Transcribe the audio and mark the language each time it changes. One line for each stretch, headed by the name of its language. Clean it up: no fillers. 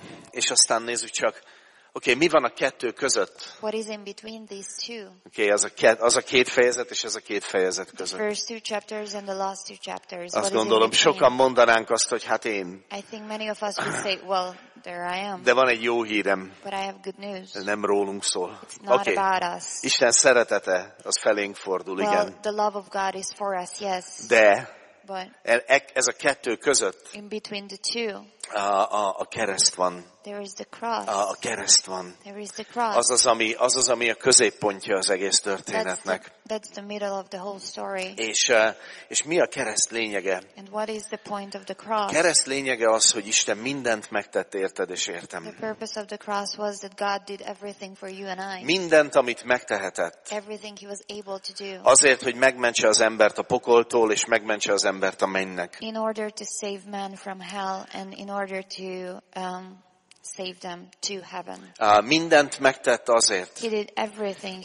Hungarian: és aztán nézzük csak, oké, mi van a kettő között?
English: What is in between these two?
Hungarian: Oké, az a két fejezet és ez a két fejezet között.
English: First two chapters and the last two chapters.
Hungarian: Azt gondolom, sokan mondanánk azt, hogy hát én.
English: I think many of us would say, well, there I am.
Hungarian: De van egy jó hírem.
English: But I have good news.
Hungarian: Ez nem rólunk szól.
English: It's not about us.
Hungarian: Isten szeretete, az felénk fordul,
English: well,
Hungarian: igen.
English: Well, the love of God is for us, yes.
Hungarian: De
English: but
Hungarian: ez a kettő között,
English: in between the two,
Hungarian: a kereszt van.
English: There is the cross.
Hungarian: A kereszt van.
English: There is the cross.
Hungarian: Az az, ami a középpontja az egész történetnek.
English: That's the middle of the whole story.
Hungarian: És mi a kereszt lényege?
English: And what is the point of the cross?
Hungarian: A kereszt lényege az, hogy Isten mindent megtett érted és értem.
English: The purpose of the cross was that God did everything for you and I.
Hungarian: Mindent, amit megtehetett.
English: Everything he was able to do.
Hungarian: Azért, hogy megmentse az embert a pokoltól és megmentse az embert a mennynek.
English: In order to save man from hell and in order to save them to heaven.
Hungarian: Mindent megtett azért,
English: he did everything